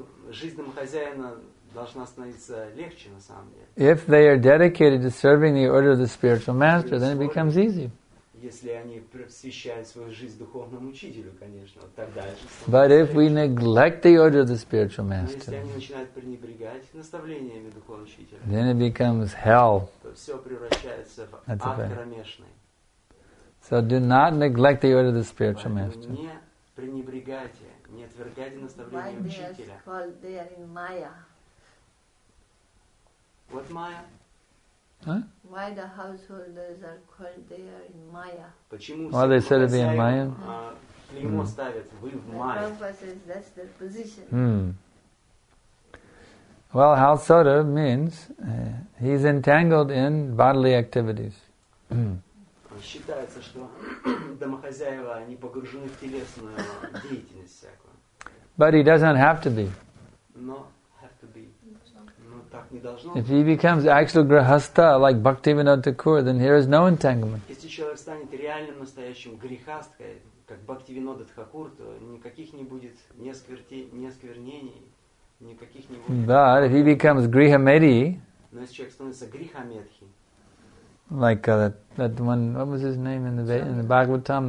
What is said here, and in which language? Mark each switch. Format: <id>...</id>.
<ru>Жизнь домохозяина должна становиться легче на самом деле.</ru> <en>If they are dedicated to serving the order of the spiritual master, then it becomes easy.</en> <ru>Если они посвящают свою жизнь духовному учителю, конечно, тогда же.</ru> <en>But if we neglect the order of the spiritual master,</en> <ru>если они начинают пренебрегать наставлениями духовного учителя,</ru> <en>then it becomes hell.</en> <ru>Все превращается в ад кромешный.</ru> <en>So do not neglect the order of the spiritual master.</en> <ru>Не пренебрегайте, не отвергайте наставления учителя.</ru> <en>Why they are called, they are in Maya? What Maya? Huh? Why the householders are called, they are in Maya?</en> <ru>Почему?</ru> <en>Why they said they are in Maya?</en> <ru>Клеймо ставят, вы в Maya.</ru> <en>Prabhupada says that's their position. Hmm. Well, householder means he's entangled in bodily activities.</en> <ru>Считается, что домохозяева они погружены в телесную деятельность всякую.</ru> <en>But he doesn't have to be. No, have to be.</en> <ru>Но так не должно.</ru> <en>If he becomes actual grihastha like Bhaktivinoda Thakur, then here is no entanglement.</en> <ru>Если человек станет реальным настоящим грихасткой, как Бхактивинода Тхакур, то никаких не будет ни осквернений, никаких не будет.</ru> <en>But if he becomes grihamedhi.</en> <ru>Но если человек становится грихамедхи.</ru> <en>Like that one, what was his name in the Bhagavatam?</en>